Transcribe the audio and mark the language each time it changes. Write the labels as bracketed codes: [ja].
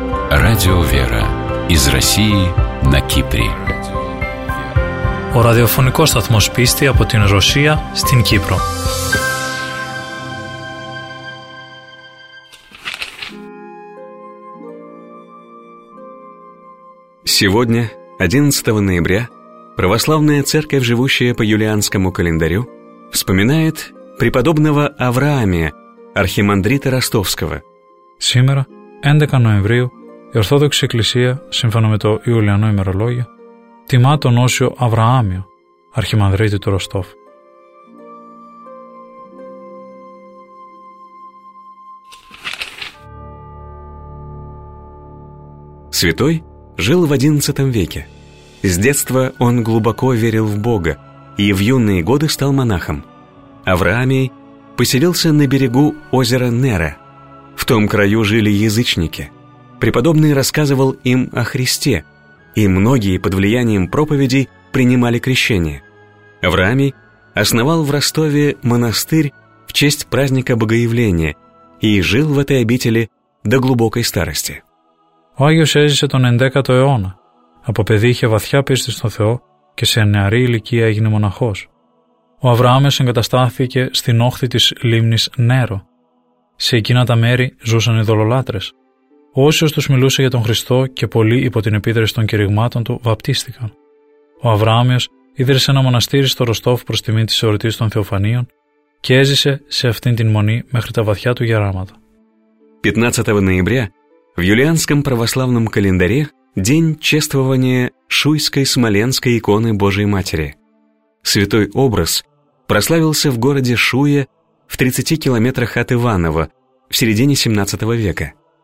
[ru] Радио «Вера» из России на Кипре. [el] Ο ραδιοφωνικός σταθμός πίστη από την Ρωσία στην Κύπρο. [ru] Сегодня, 11 ноября, православная церковь, живущая по юлианскому календарю, вспоминает преподобного Авраамия, архимандрита Ростовского. Сегодня, 11 ноября, [el] η Ορθόδοξη Εκκλησία, σύμφωνα με το Ιουλιανό ημερολόγιο, τιμά τον Όσιο Αβραάμιο, αρχιμανδρίτη του Ροστόφ. [ru] Святой жил в XI веке. С детства он глубоко верил в Бога и в юные годы стал монахом. Авраамий поселился на берегу озера Нера. В том краю жили язычники. Преподобный рассказывал им о Христе, и многие под влиянием проповедей принимали крещение. Авраамий основал в Ростове монастырь в честь праздника Богоявления и жил в этой обители до глубокой старости. [el] Ο Άγιος έζησε τον 11ο αιώνα. Από παιδί είχε βαθιά πίστη στον Θεό και σε νεαρή ηλικία έγινε μοναχός. Ο Αβραάμιος εγκαταστάθηκε στην όχθη της λίμνης Νέρο. Σε εκείνα τα μέρη ζούσαν οι δολολάτρες. Ο Όσιος τους μιλούσε για τον Χριστό και πολλοί υπό την επίδραση των κηρυγμάτων του βαπτίστηκαν. Ο Αβραάμιος ίδρυσε ένα μοναστήρι στο Ροστόφ προς τιμή της εορτής των Θεοφανίων και έζησε σε αυτήν την μονή μέχρι τα βαθιά του γεράματα. 15 Νοεμβρίου, [ru] в юлианском православном календаре день чествования Шуйской Смоленской иконы Божией Матери. Святой образ прославился в городе Шуе в 30 километрах от Иваново в середине 17 века.